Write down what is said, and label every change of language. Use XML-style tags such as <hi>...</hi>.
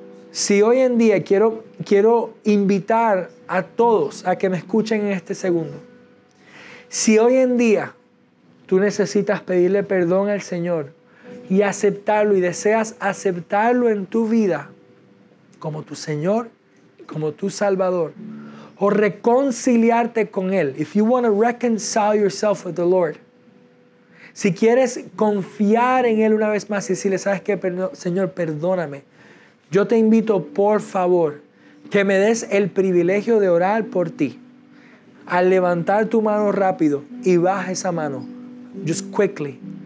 <es>Si hoy en día quiero invitar a todos a que me escuchen en este segundo. Si hoy en día tú necesitas pedirle perdón al Señor y aceptarlo y deseas aceptarlo en tu vida como tu Señor, como tu Salvador, o reconciliarte con Él.</es> <en>If you want to reconcile yourself with the Lord.</en> <es>Si quieres confiar en Él una vez más y decirle, ¿sabes qué? Señor, perdóname. Yo te invito, por favor, que me des el privilegio de orar por ti. Al levantar tu mano rápido y baja esa mano.</es> <en>Just quickly.</en>